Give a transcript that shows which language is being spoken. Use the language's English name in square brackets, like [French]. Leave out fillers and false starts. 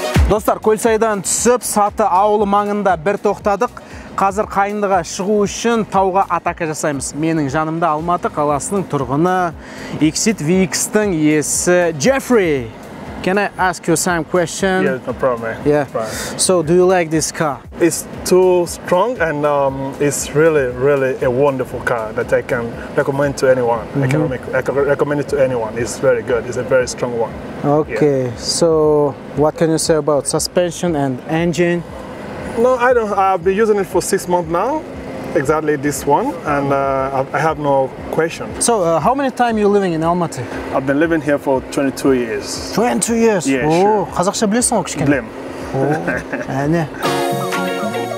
[Kazakh] Достар, Көлсайдан түсіп, Саты ауылы маңында бір тоқтадық. Қазір Қайындыға шығу үшін тауға атака жасаймыз. Менің жанымда Алматы қаласының тұрғыны, Exit VX-тің иесі Джеффри. [English] Can I ask you some question? Yeah, no problem. Man. Yeah. So, do you like this car? It's too strong and it's really, really a wonderful car that I can recommend to anyone. Mm-hmm. I can recommend it to anyone. It's very good. It's a very strong one. Okay. Yeah. So, what can you say about suspension and engine? No, I don't. I've been using it for 6 months now, exactly this one, and I have no question. So, how many time you living in Almaty? I've been living here for 22 years. 22 years? Yeah, oh, sure. [Kazakh] Қазақша білесің ғой кішкене? Білем. Әне.